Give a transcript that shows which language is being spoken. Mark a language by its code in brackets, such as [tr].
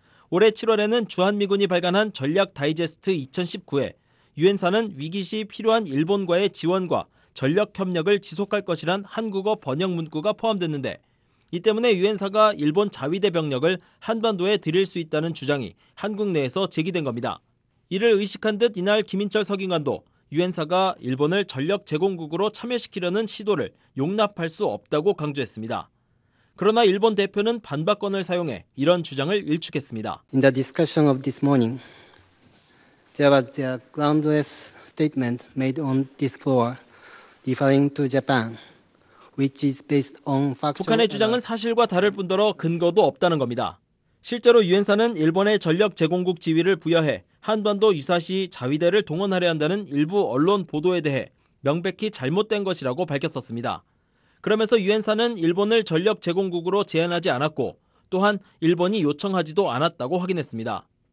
[ko] 올해 7월에는 주한미군이 발간한 전략 다이제스트 2019에 유엔사는 위기 시 필요한 일본과의 지원과 전력 협력을 지속할 것이란 한국어 번역 문구가 포함됐는데 이 때문에 유엔사가 일본 자위대 병력을 한반도에 들일 수 있다는 주장이 한국 내에서 제기된 겁니다. 이를 의식한 듯 이날 김인철 서기관도 유엔사가 일본을 전력 제공국으로 참여시키려는 시도를 용납할 수 없다고 강조했습니다. 그러나 일본 대표는 반박권을 사용해 이런 주장을 일축했습니다. [en] In the discussion of this morning, there was a groundless statement made on this floor referring to Japan, which is based on factual. [ko] 북한의 주장은 사실과 다를 뿐더러 근거도 없다는 겁니다. 실제로 유엔사는 일본의 전력 제공국 지위를 부여해 한반도 유사시 자위대를 동원하려 한다는 일부 언론 보도에 대해 명백히 잘못된 것이라고 밝혔었습니다. 그러면서 유엔사는 일본을 전력 제공국으로 제안하지 않았고 또한 일본이 요청하지도 않았다고 확인했습니다.